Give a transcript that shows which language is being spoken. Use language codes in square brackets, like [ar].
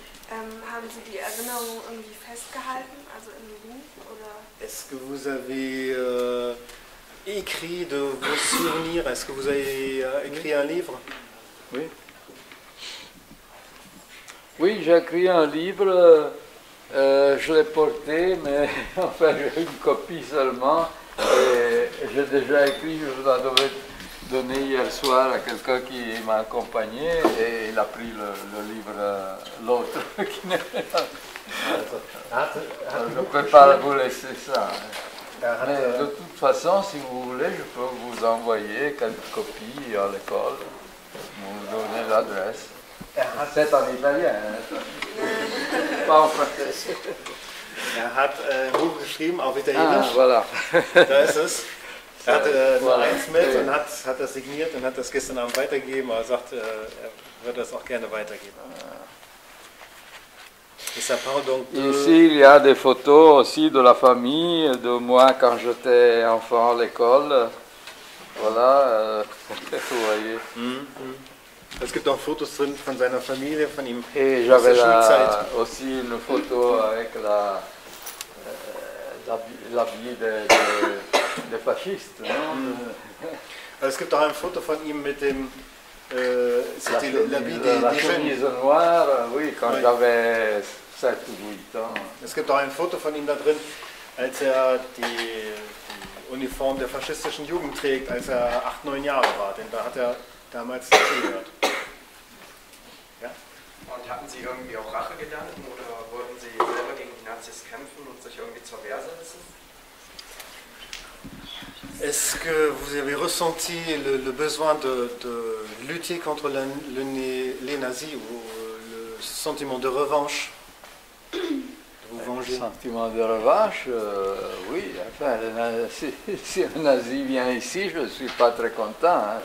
[de] Haben Sie die Erinnerung irgendwie festgehalten, also im Buch, oder? [fr] Est-ce que vous avez. Écrit de vos souvenirs, est-ce que vous avez écrit un livre? Oui. Oui, j'ai écrit un livre, je l'ai porté, mais enfin j'ai une copie seulement, et j'ai déjà écrit, je la devais donner hier soir à quelqu'un qui m'a accompagné, et il a pris le livre, l'autre. Je ne peux pas vous laisser ça. Mais de toute façon, si vous voulez, je peux vous envoyer quelques copies à l'école, vous donner l'adresse. C'est en italien, pas en français. [de] Er hat ein Buch geschrieben auf Italienisch. [fr] Ah, voilà. [de] Da ist es. Er hatte nur eins mit und hat das signiert und hat das gestern Abend weitergegeben, aber sagt, er würde das auch gerne weitergeben. [fr] Ici, il y a des photos aussi de la famille, de moi quand j'étais enfant à l'école. Voilà, vous voyez. Mm-hmm. [de] Es gibt auch Fotos drin von seiner Familie, von ihm. [fr] Et j'avais la, aussi une photo avec la, la vie des fascistes. Non? [de] Es gibt auch ein Foto von ihm mit dem. Es gibt auch ein Foto von ihm da drin, als er die Uniform der faschistischen Jugend trägt, als er 8-9 Jahre war, denn da hat er damals zugehört. Ja? Und hatten Sie irgendwie auch Rachegedanken oder wollten Sie selber gegen die Nazis kämpfen und sich irgendwie zur Wehr setzen? [fr] Est-ce que vous avez ressenti le besoin de lutter contre les nazis ou le sentiment de revanche de vous venger? Le sentiment de revanche, oui. Enfin, si un nazi vient ici, je ne suis pas très content. Hein.